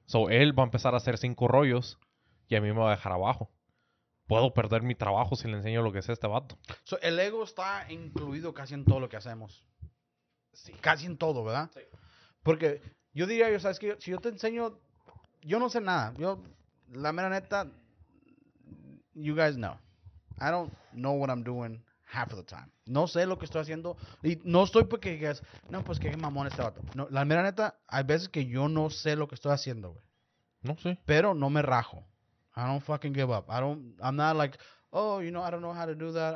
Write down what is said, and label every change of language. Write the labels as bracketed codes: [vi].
[es] So, él va a empezar a hacer 5 rollos y a mí me va a dejar abajo. Puedo perder mi trabajo si le enseño lo que es este vato. So, el ego está incluido casi en todo lo que hacemos. Sí. Casi en todo, ¿verdad? Sí. Porque yo diría, yo sabes que si yo te enseño, yo no sé nada. Yo, la mera neta, [en] you guys know. I don't know what I'm doing half of the time. [es] No sé lo que estoy haciendo. Y no estoy porque digas, no, pues qué mamón este vato. No, la mera neta, hay veces que yo no sé lo que estoy haciendo, güey. No sé. Pero no me rajo. [en] I don't fucking give up. I'm not like, oh, you know, I don't know how to do that.